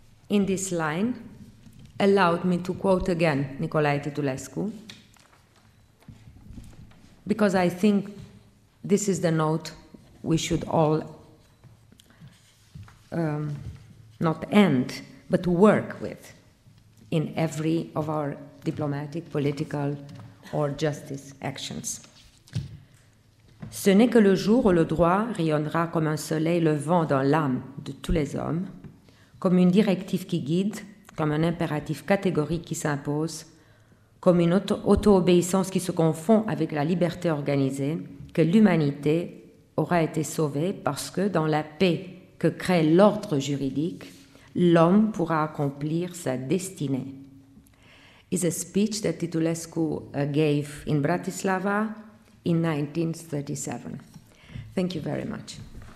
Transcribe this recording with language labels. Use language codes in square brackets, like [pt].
[en] In this line, allow me to quote again Nicolae Titulescu, because I think this is the note we should all not end, but work with in every of our diplomatic, political, or justice actions. [fr] Ce n'est que le jour où le droit rayonnera comme un soleil levant dans l'âme de tous les hommes, comme une directive qui guide, comme un impératif catégorique qui s'impose, comme une auto-obéissance qui se confond avec la liberté organisée, que l'humanité aura été sauvée parce que dans la paix que crée l'ordre juridique, l'homme pourra accomplir sa destinée. [en] Is a speech that Titulescu gave in Bratislava in 1937. Thank you very much.